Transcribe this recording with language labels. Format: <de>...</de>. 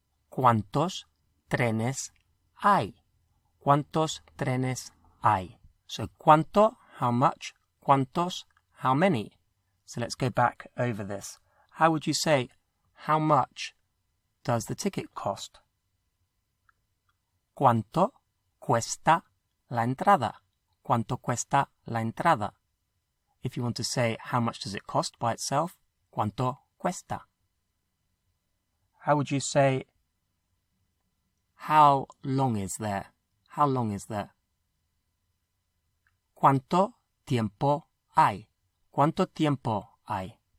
<es>¿Cuántos trenes hay? ¿Cuántos trenes hay?</es> <en>So,</en> <es>¿cuánto?</es> <en>How much?</en> <es>¿Cuántos?</es> <en>How many? So, let's go back over this. How would you say, how much does the ticket cost?</en> <es>¿Cuánto cuesta la entrada? ¿Cuánto cuesta la entrada?</es> <en>If you want to say, how much does it cost by itself?</en> <es>¿Cuánto cuesta?</es> <en>How would you say, how long is there? How long is there?</en> <es>¿Cuánto tiempo hay? ¿Cuánto tiempo hay?</es>